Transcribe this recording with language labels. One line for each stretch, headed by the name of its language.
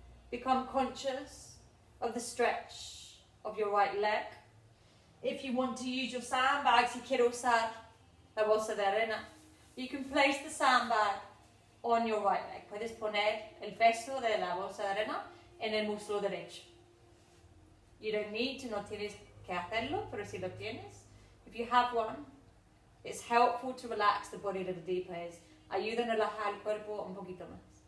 English: Become conscious of the stretch of your right leg. If you want to use your sandbags, you can also, you can place the sandbag on your right leg.
Spanish: Puedes poner el peso de la bolsa de arena en el muslo derecho.
English: You don't need to,
Spanish: no tienes que hacerlo, pero si lo tienes.
English: If you have one, it's helpful to relax the body a little deeper.
Spanish: Es ayuda a relajar el cuerpo un poquito más.